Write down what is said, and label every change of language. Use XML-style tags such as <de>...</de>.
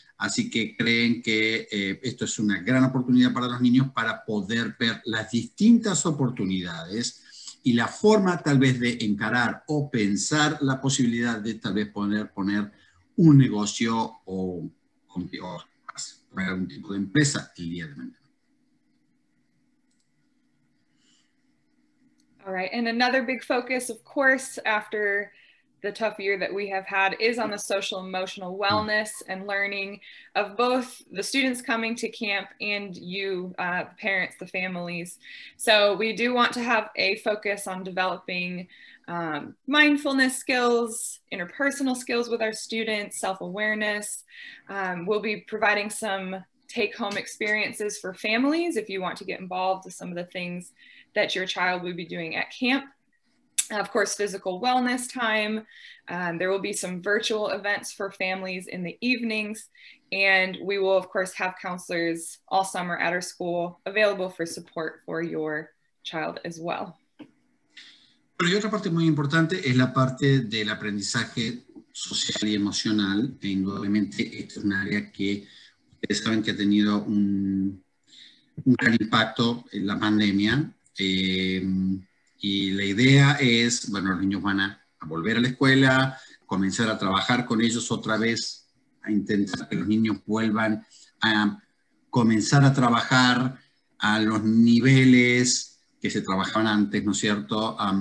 <es>Así que creen que esto es una gran oportunidad para los niños para poder ver las distintas oportunidades y la forma tal vez de encarar o pensar la posibilidad de tal vez poner un negocio o poner algún tipo de empresa el día de mañana.</es> <en>All right, and another big focus, of course, after the tough year that we have had is on the social emotional wellness and learning of both the students coming to camp and you, the parents, the families. So we do want to have a focus on developing mindfulness skills, interpersonal skills with our students, self-awareness. We'll be providing some take-home experiences for families if you want to get involved with some of the things that your child will be doing at camp. Of course, physical wellness time. There will be some virtual events for families in the evenings. And we will, of course, have counselors all summer at our school available for support for your child as well.</en> <es>Bueno, y otra parte muy importante es la parte del aprendizaje social y emocional. E indudablemente, esta es una área que ustedes saben que ha tenido un gran impacto en la pandemia. Y la idea es, bueno, los niños van a volver a la escuela, comenzar a trabajar con ellos otra vez, a intentar que los niños vuelvan a comenzar a trabajar a los niveles que se trabajaban antes, ¿no es cierto?</es>